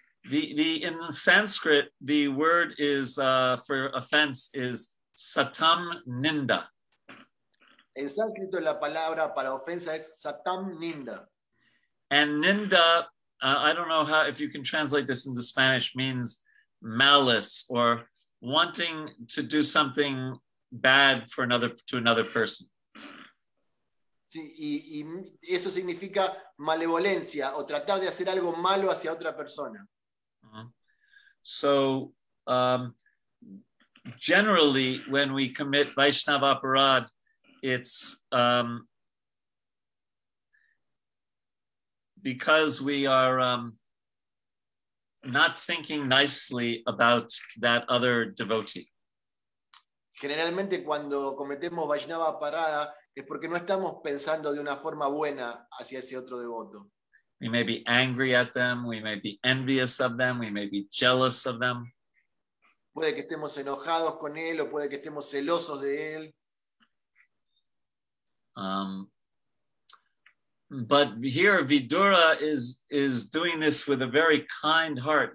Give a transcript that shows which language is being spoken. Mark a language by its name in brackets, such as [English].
[English] The in Sanskrit, the word is for offense is satam ninda. [Spanish] En sánscrito la palabra para ofensa es satam ninda. [English] And ninda I don't know how, if you can translate this into Spanish, means malice or wanting to do something bad for another, to another person. [Spanish] Sí, y eso significa malevolencia o tratar de hacer algo malo hacia otra persona. [English] So, generally, when we commit Vaishnava aparad, it's because we are not thinking nicely about that other devotee. [Spanish] Generalmente, cuando cometemos Vaishnava aparad, es porque no estamos pensando de una forma buena hacia ese otro devoto. [English] We may be angry at them, we may be envious of them, we may be jealous of them. [Spanish] Puede que estemos enojados con él o puede que estemos celosos de él. [English] But here Vidura is doing this with a very kind heart.